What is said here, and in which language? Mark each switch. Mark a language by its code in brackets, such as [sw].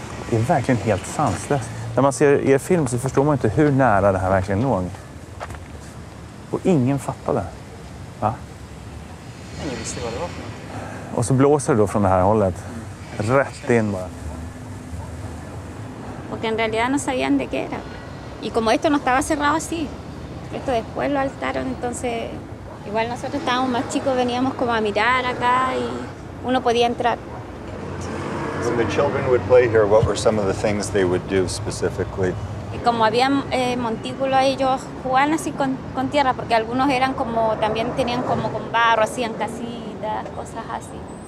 [sv] Det är verkligen helt sanslöst. När man ser er film så förstår man inte hur nära det här verkligen låg. Och ingen fattade. Va? Ingen visste vad det var för något. Och så blåser det då från det här hållet. Rätt in bara. [es] Porque en realidad no sabían de qué era. Y como esto no estaba cerrado así, esto después lo altaron, entonces igual nosotros estábamos más chicos, veníamos como a mirar acá y uno podía entrar. [en] When the children would play here, what were some of the things they would do specifically? [es] Y como había montículo, ellos jugaban así con tierra, porque algunos eran como también tenían como con barro, hacían casitas, cosas así.